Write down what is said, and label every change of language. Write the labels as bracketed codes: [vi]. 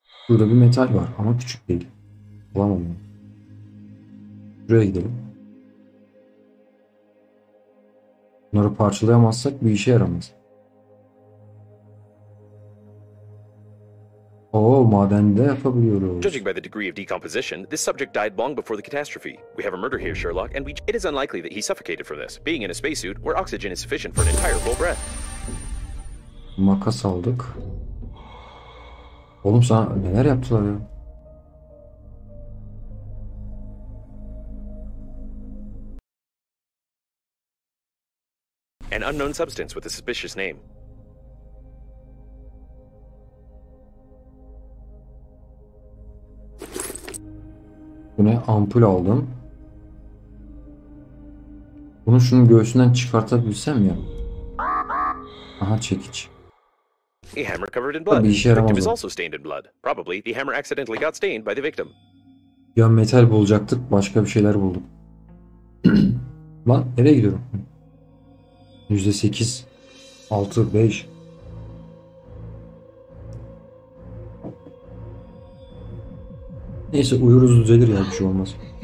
[tr] Burada bir metal var ama küçük değil. Bulamam onu. Şuraya gidelim. Bunları parçalayamazsak bir işe yaramaz. Oh, madende yapabiliyoruz. [en] Judging by the degree of decomposition, this subject died long before the catastrophe. We have a murder here, Sherlock, and it is unlikely that he suffocated from this, being in a spacesuit where oxygen is sufficient for an entire full breath. [tr] Makas aldık. Oğlum sana neler yaptılar ya? [en] An unknown substance with a suspicious name. [tr] Bu ne? Ampul aldım. Bunu şunun göğsünden çıkartabilsem ya. Aha, çekiç. [en] The hammer covered in blood. The victim is also stained in blood. Probably the hammer accidentally got stained by the victim. [tr] Ya metal bulacaktık, başka bir şeyler bulduk. Lan nereye gidiyorum? %8, 6, 5. Neyse, uyuruz düzelir ya, bir şey olmaz.